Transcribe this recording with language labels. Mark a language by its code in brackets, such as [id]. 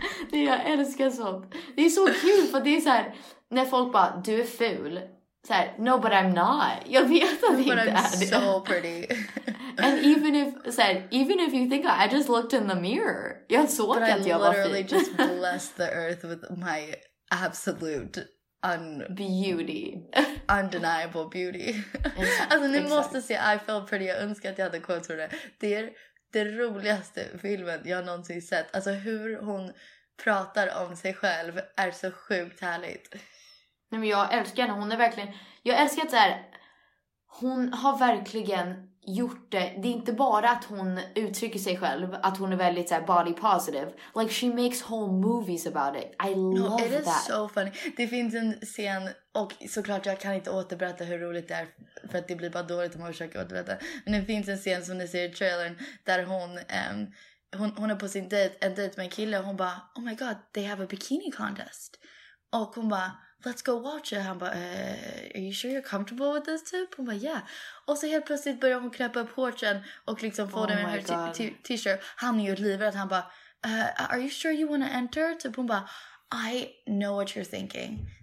[sv] Nej, jag älskar sånt. Det är så kul för det är såhär, när folk bara, du är ful. Såhär, [en] no but I'm not. [sv] Jag vet att [en] no, [sv] inte är det. [en] But I'm so pretty. And even if, [sv] såhär, [en] even if you think I just looked in the mirror. [sv] Jag såg att jag var fin. [en] But I literally just blessed the earth with my absolute beauty. Undeniable beauty. [sv] Alltså ni måste se, I feel pretty. Jag önskar att jag hade quotes för det. Det är det roligaste filmen jag någonsin sett. Alltså hur hon pratar om sig själv är så sjukt härligt. Nej, men jag älskar henne, hon är verkligen, jag älskar att så här, hon har verkligen gjort det. Det är inte bara att hon uttrycker sig själv, att hon är väldigt så här, body positive. [en] Like she makes whole movies about it. I love that. It is so funny. [sv] Det finns en scen, och såklart jag kan inte återberätta hur roligt det är, för att det blir bara dåligt om man försöker återberätta. Men det finns en scen som ni ser i trailern, där hon... Hon är på sin dejt, en dejt med en kille. Hon bara, [en] oh my god, they have a bikini contest. [sv] Och hon bara, [en] let's go watch it. [sv] Han bara, [en] are you sure you're comfortable with this tip? Hon bara, yeah. [sv] Och så helt plötsligt börjar hon knäppa upp hårtren och liksom få den med her t-shirt. Han är ju livrädd. Han bara, [en] are you sure you want to enter? [sv] Typ hon bara, [en] I know what you're thinking.